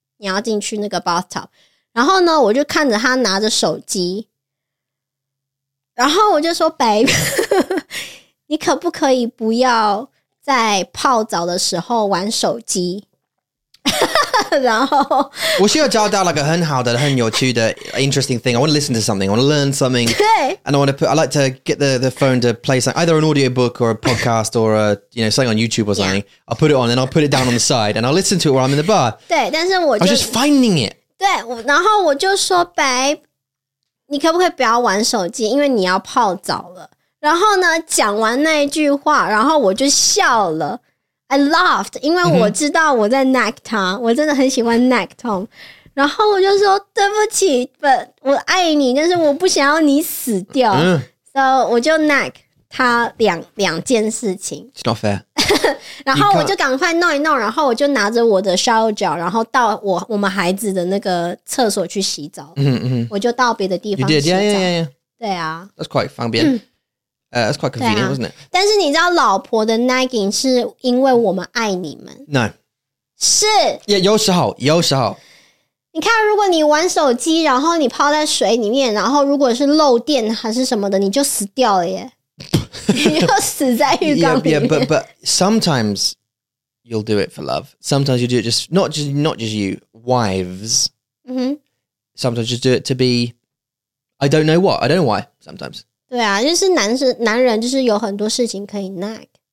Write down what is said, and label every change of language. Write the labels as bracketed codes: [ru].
[zh] 你要进去那个 bathtub, 然后呢，我就看着他拿着手机, 然后我就说 babe, 你可不可以不要在泡澡的时候玩手机？然后我需要教到那个很好的、很有趣的 [en] interesting thing. I want to listen to something. I want to learn something. [zh] 对, [en] and I want to put. I like to get the phone to play something, either an audio book or a podcast or a, you know, something on YouTube or something. Yeah. I'll put it on and I'll put it down on the side and I'll listen to it while I'm in the bar. [zh] 对，但是我就 [en] I was just finding it. [zh] 对，然后我就说 babe, 你可不可以不要玩手机？因为你要泡澡了。然后呢，讲完那一句话，然后我就笑了。 I laughed, 因为我知道我在 nag 他, 我真的很喜欢 nag Tom. 然后我就说对不起, but 我爱你, 但是我不想要你死掉, so 我就 nag 他两件事情. [en] It's not fair. [zh] 然后我就赶快弄一弄, 然后我就拿着我的 shower gel, 然后到我们孩子的那个厕所去洗澡, mm-hmm. 我就到别的地方洗澡. [en] You did, yeah. [zh] 对啊, [en] that's quite 方便.That's quite convenient, wasn't it? [zh] 但是你知道老婆的 nagging 是因为我们爱你们? [en] No. [zh] 是! Yeah, 有时候。你看,如果你玩手机, 然后你泡在水里面, 然后如果是漏电还是什么的, 你就死掉了耶。你就死在浴缸里面。 [en] Yeah, but sometimes you'll do it for love. Sometimes you do it just, not just you, wives. Mm-hmm. Sometimes you just do it to be, I don't know what, I don't know why, sometimes. [zh] 对啊,就是男人就是有很多事情可以nag.